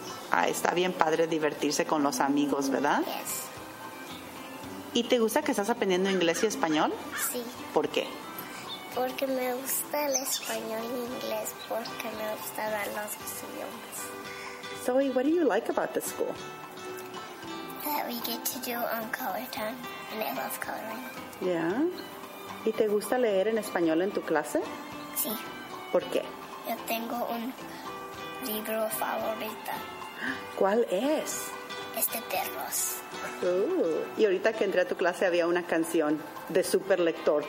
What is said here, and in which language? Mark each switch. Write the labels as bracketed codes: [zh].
[es] Ah, está bien padre divertirse con los amigos, ¿verdad? [en] Yes. [es] ¿Y te gusta que estás aprendiendo inglés y español? Sí. ¿Por qué? Porque me gusta el español y el inglés, porque me gusta hablar los idiomas. [en] Zoe, what do you like about the school? That we get to do on color time, and I love coloring. Yeah. [es] ¿Y te gusta leer en español en tu clase? Sí. ¿Por qué? Yo tengo un libro favorito. ¿Cuál es? Es de perros. Y ahorita que entré a tu clase había una canción de Super Lector.